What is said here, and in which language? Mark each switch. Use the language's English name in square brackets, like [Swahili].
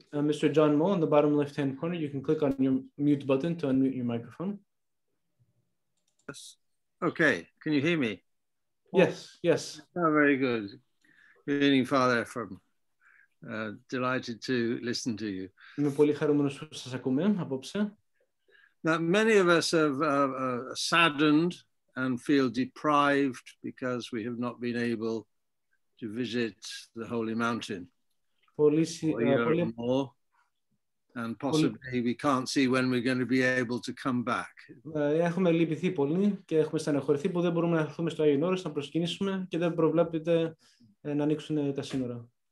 [English] Mr. John Moll, in the bottom left-hand corner, you can click on your mute button to unmute your microphone. Yes. Okay, can you hear me? Yes, yes. Oh, very good. Good evening, Father Ephraim. Delighted to listen to you. [Greek] Είμαι πολύ χαρούμενος που σας ακούμε απόψε. [English] Now, many of us have saddened and feel deprived because we have not been able to visit the Holy Mountain. And possibly we can't see when we're going to be able to come back. [Greek] Έχουμε λυπηθεί πολύ και έχουμε στενοχωρηθεί που δεν μπορούμε να έρθουμε στο Άγιον Όρος να προσκυνήσουμε και δεν προβλέπεται να ανοίξουν τα σύνορα.